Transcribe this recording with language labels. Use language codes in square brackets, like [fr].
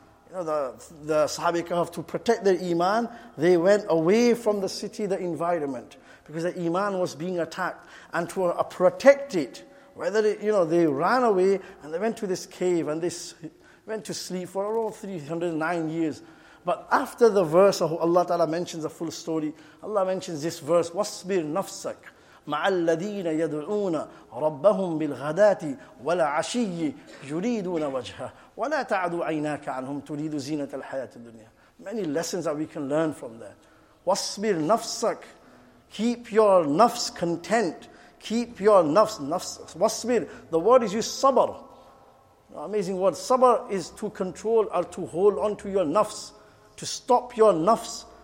[en] You know, the Sahabi Kahf, to protect their iman, they went away from the city, the environment, because the iman was being attacked. And to protect it, whether it, you know, they ran away and they went to this cave and they went to sleep for around 309 years. But after the verse of Allah Ta'ala mentions the full story, Allah mentions this verse, [ar] وَاسْبِرْ نَفْسَكْ مَعَ الَّذِينَ يَدْعُونَ رَبَّهُمْ بِالْغَدَاتِ وَلَعَشِيِّ يُرِيدُونَ وَجْهَهُ وَلَا تَعْدُ عَيْنَاكَ عَنْهُمْ تُرِيدُ زِينَةَ الْحَيَاةِ الدُّنْيَا. [en] Many lessons that we can learn from that. [ar] وَاسْبِرْ نَفْسَكْ. [en] Keep your nafs content. Keep your nafs. وَاسْبِرْ. The word is used sabr. Amazing word. Sabr is to control or to hold on to your nafs, to stop your nafs.